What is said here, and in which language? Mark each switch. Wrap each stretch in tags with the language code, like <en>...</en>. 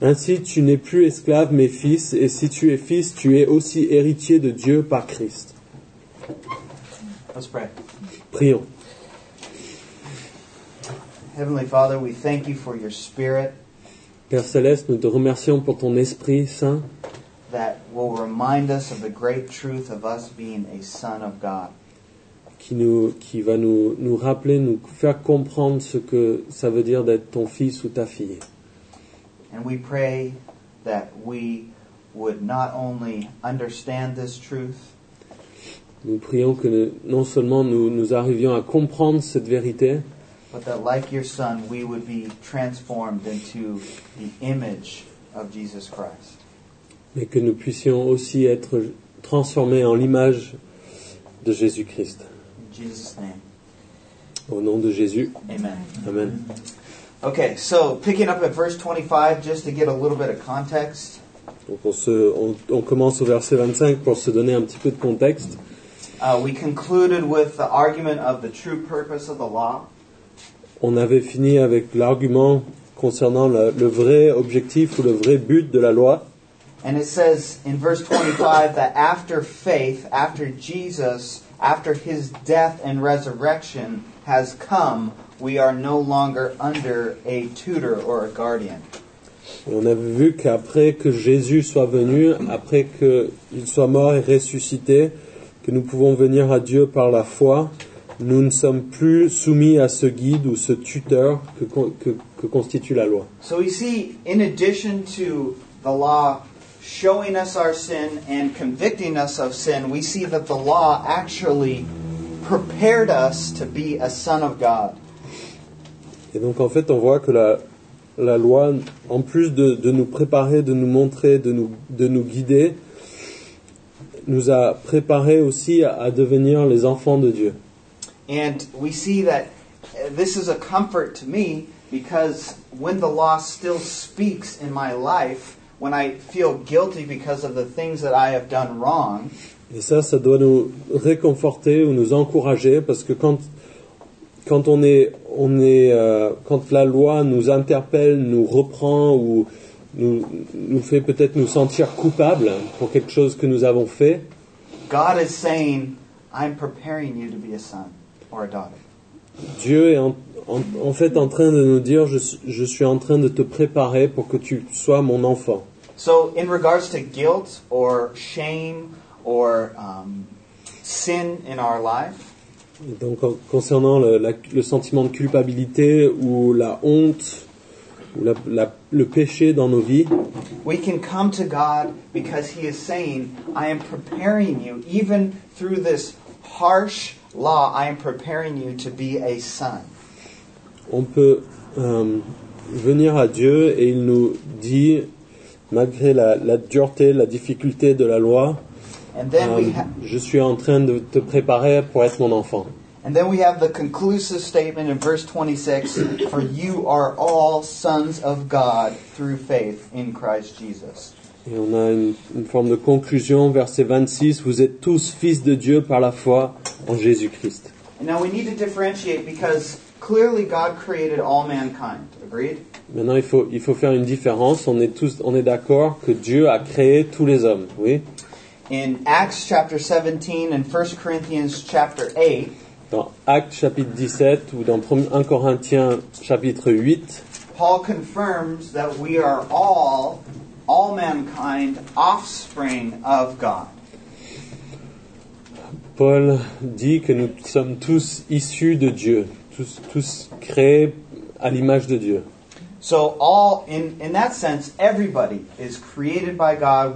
<fr>Ainsi, tu n'es plus esclave, mais fils, et si tu es fils, tu es aussi héritier de Dieu par Christ.</fr> <en>Let's pray.</en> <fr>Prions.</fr> <en>Heavenly Father, we thank you for your Spirit.</en> <fr>Père Céleste, nous te remercions pour ton Esprit Saint.</fr> <en>That will remind us of the great truth of us being a son of God.</en> <fr>Qui va nous rappeler, nous faire comprendre ce que ça veut dire d'être ton fils ou ta fille.</fr> <en>And we pray that we would not only understand this truth.</en> <fr>Nous prions que non seulement nous arrivions à comprendre cette vérité,</fr> <en>but that like your son we would be transformed into the image of Jesus Christ.</en> <fr>Mais que nous puissions aussi être transformés en l'image de Jésus-Christ.</fr> <en>In Jesus' name.</en> <fr>Au nom de Jésus.</fr> <en>Amen.</en> <fr>Amen.</fr> <en>Okay, so picking up at verse 25, just to get a little bit of context.</en> <fr>Donc on commence au verset 25 pour se donner un petit peu de contexte.</fr> <en>We concluded with the argument of the true purpose of the law.</en> <fr>On avait fini avec l'argument concernant le vrai objectif ou le vrai but de la loi.</fr> <en>And it says in verse 25 that after faith, after Jesus, after his death and resurrection has come, we are no longer under a tutor or a guardian.</en> <fr>Et on a vu qu'après que Jésus soit venu, après qu'il soit mort et ressuscité, que nous pouvons venir à Dieu par la foi, nous ne sommes plus soumis à ce guide ou ce tuteur que constitue la loi.</fr> <en>So we see, in addition to the law showing us our sin and convicting us of sin, we see that the law actually prepared us to be a son of God.</en> <fr>Et donc en fait, on voit que la loi, en plus de nous préparer, de nous montrer, de nous guider, nous a préparé aussi à devenir les enfants de Dieu.</fr> <en>And we see that this is a comfort to me, because when the law still speaks in my life, when I feel guilty because of the things that I have done wrong.</en> <fr>Et ça doit nous réconforter ou nous encourager, parce que quand la loi nous interpelle, nous reprend ou nous fait peut-être nous sentir coupable pour quelque chose que nous avons fait.</fr> <en>God is saying, I'm preparing you to be a son or a daughter.</en> <fr>Dieu est en fait en train de nous dire, je suis en train de te préparer pour que tu sois mon enfant.</fr> <en>So in regards to guilt or shame or sin in our life.</en> <fr>Donc concernant le sentiment de culpabilité ou la honte ou le péché dans nos vies,</fr> <en>we can come to God because he is saying, I am preparing you, even through this harsh law, I am preparing you to be a son.</en> <fr>On peut venir à Dieu et il nous dit, malgré la dureté, la difficulté de la loi, je suis en train de te préparer pour être mon enfant.</fr> <en>And then we have the conclusive statement in verse 26, for you are all sons of God through faith in Christ Jesus.</en> <fr>Et on a une forme de conclusion, verset 26, vous êtes tous fils de Dieu par la foi en Jésus-Christ.</fr> <en>And now we need to differentiate, because clearly God created all mankind. Agreed?</en> <fr>Maintenant, il faut faire une différence. On est d'accord que Dieu a créé tous les hommes, oui?</fr> <en>In Acts chapter 17 and 1 Corinthians chapter 8.</en> <fr>Dans Actes chapitre 17 ou dans 1 Corinthiens chapitre 8.</fr> <en>Paul confirms that we are all mankind, offspring of God.</en> <fr>Paul dit que nous sommes tous issus de Dieu, tous créés à l'image de Dieu.</fr> <en>So all, in that sense, everybody is created by God.</en>